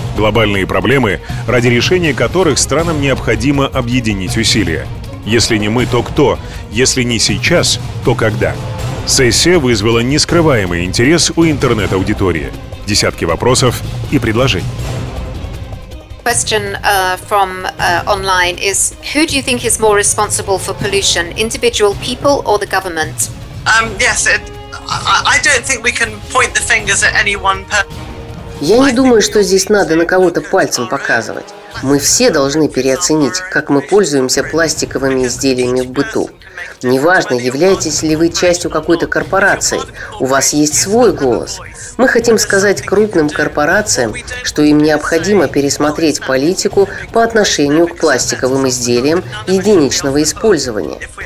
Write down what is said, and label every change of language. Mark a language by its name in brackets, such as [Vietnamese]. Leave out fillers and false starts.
[Russian] Глобальные проблемы, ради решения которых странам необходимо объединить усилия. Если не мы, то кто? Если не сейчас, то когда? Сессия вызвала нескрываемый интерес у интернет-аудитории. Десятки вопросов и предложений. [English] Question from online is, who do you think is more responsible for pollution, individual people or the government? I don't think we can point the fingers at any one person. [Russian] Я не думаю, что здесь надо на кого-то пальцем показывать. Мы все должны переоценить, как мы пользуемся пластиковыми изделиями в быту. Неважно, являетесь ли вы частью какой-то корпорации, у вас есть свой голос. Мы хотим сказать крупным корпорациям, что им необходимо пересмотреть политику по отношению к пластиковым изделиям единичного использования.